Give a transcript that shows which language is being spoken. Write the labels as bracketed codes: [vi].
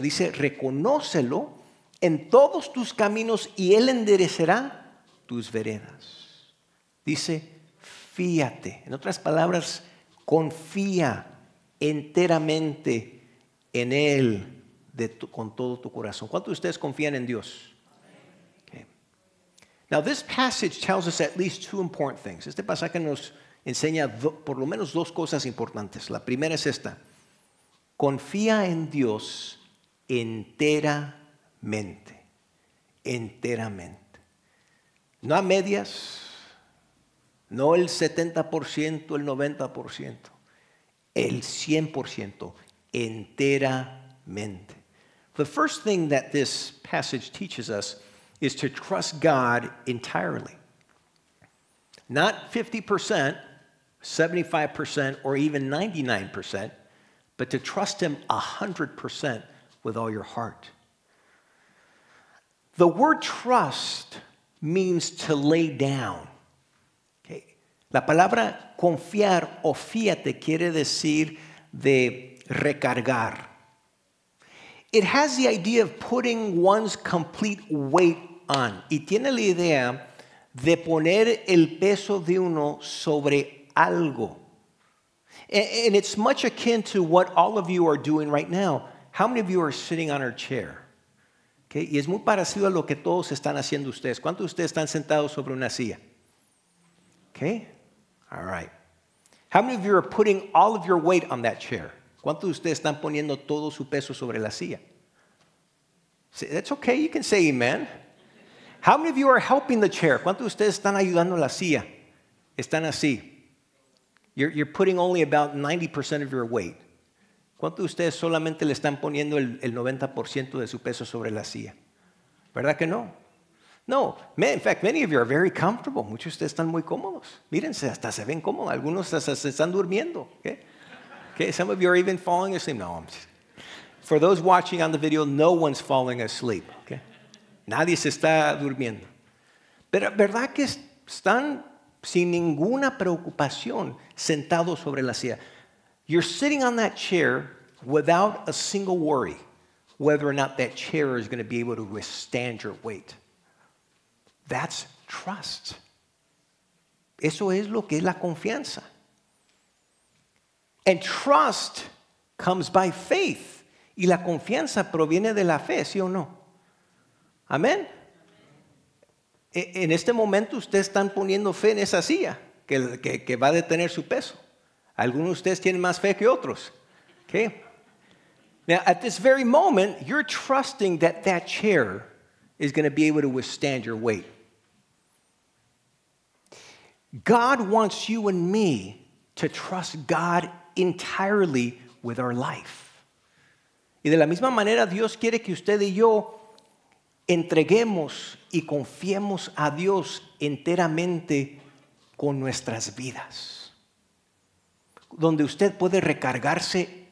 [es] Dice, reconócelo en todos tus caminos y él enderecerá tus veredas. Dice, fíate. En otras palabras, confía enteramente en él con todo tu corazón. ¿Cuántos de ustedes confían en Dios? Okay. [en] Now, this passage tells us at least two important things. [es] Este pasaje nos enseña por lo menos dos cosas importantes. La primera es esta. Confía en Dios enteramente. Enteramente. No a medias, no el 70%, el 90%, el 100%, enteramente. [en] The first thing that this passage teaches us is to trust God entirely. Not 50%, 75%, or even 99%, but to trust him 100% with all your heart. The word trust means to lay down. Okay. [es] La palabra confiar o fíate quiere decir de recargar. [en] It has the idea of putting one's complete weight on. [es] Y tiene la idea de poner el peso de uno sobre algo. [en] And it's much akin to what all of you are doing right now. How many of you are sitting on our chair? Okay. [es] Y es muy parecido a lo que todos están haciendo ustedes. ¿Cuántos de ustedes están sentados sobre una silla? [en] Okay. All right. How many of you are putting all of your weight on that chair? [es] ¿Cuántos de ustedes están poniendo todo su peso sobre la silla? [en] See, that's okay. You can say amen. How many of you are helping the chair? [es] ¿Cuántos de ustedes están ayudando la silla? Están así. [en] You're putting only about 90% of your weight. [es] ¿Cuántos de ustedes solamente le están poniendo el 90% de su peso sobre la silla? ¿Verdad que no? No. [en] In fact, many of you are very comfortable. [es] Muchos de ustedes están muy cómodos. Mírense, hasta se ven cómodos. Algunos hasta se están durmiendo. Okay? Okay? [en] Some of you are even falling asleep. No, I'm just... For those watching on the video, no one's falling asleep. [es] Okay? Nadie se está durmiendo. Pero ¿verdad que están sin ninguna preocupación sentados sobre la silla? [en] You're sitting on that chair without a single worry whether or not that chair is going to be able to withstand your weight. That's trust. [es] Eso es lo que es la confianza. [en] And trust comes by faith. [es] Y la confianza proviene de la fe, ¿sí o no? Amén. En este momento ustedes están poniendo fe en esa silla que va a detener su peso. Algunos de ustedes tienen más fe que otros. [en] Okay. Now, at this very moment, you're trusting that that chair is going to be able to withstand your weight. God wants you and me to trust God entirely with our life. [es] Y de la misma manera, Dios quiere que usted y yo entreguemos y confiemos a Dios enteramente con nuestras vidas. Donde usted puede recargarse